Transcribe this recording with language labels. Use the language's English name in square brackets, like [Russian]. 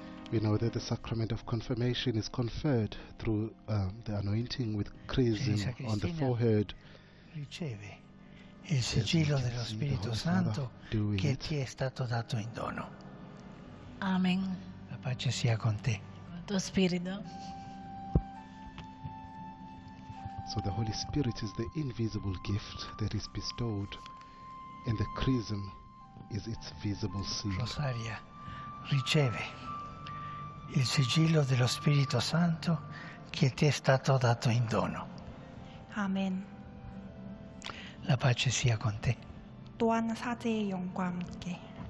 [English] We know that the sacrament of confirmation is conferred through the anointing with chrism on the forehead. [Italian] Riceve il sigillo dello Spirito Santo che ti è stato dato in dono. Amen. La pace sia con te. Con il tuo spirito. [English] So the Holy Spirit is the invisible gift that is bestowed, and the chrism is its visible seal. [Italian] Rosaria, riceve il sigillo dello Spirito Santo che ti è stato dato in dono. Amen. La pace sia con te. Tuan sate yongguamke.